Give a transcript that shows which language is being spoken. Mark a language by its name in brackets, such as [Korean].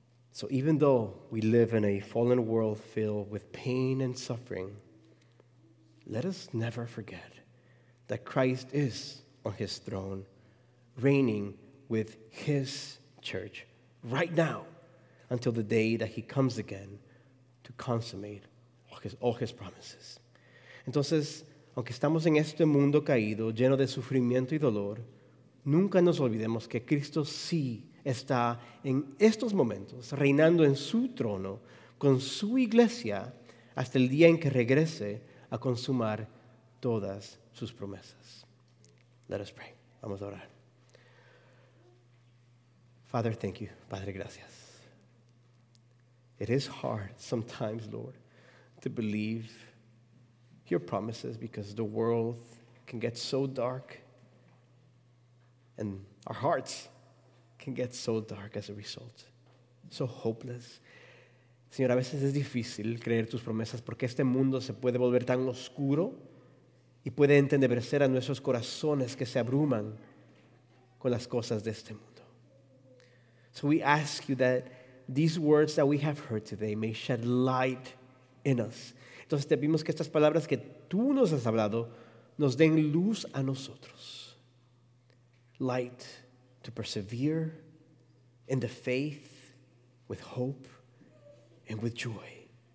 [English] So even though we live in a fallen world filled with pain and suffering, let us never forget that Christ is on his throne, reigning with his church right now until the day that he comes again to consummate all his promises. [Spanish] Entonces, aunque estamos en este mundo caído, lleno de sufrimiento y dolor, nunca nos olvidemos que Cristo sí está en estos momentos reinando en su trono con su iglesia hasta el día en que regrese a consumar todas sus promesas. [English] Let us pray. [Spanish] Vamos a orar. [English] Father, thank you. [Spanish] Padre, gracias. [English] It is hard sometimes, Lord, to believe your promises because the world can get so dark and our hearts can get so dark as a result. So hopeless. [Spanish] Señor, a veces es difícil creer tus promesas porque este mundo se puede volver tan oscuro y puede entenebrecer a nuestros corazones que se abruman con las cosas de este mundo. [English] So we ask you that these words that we have heard today may shed light in us. [Spanish] Entonces te pedimos que estas palabras que tú nos has hablado nos den luz a nosotros. [English] Light to persevere in the faith with hope and with joy.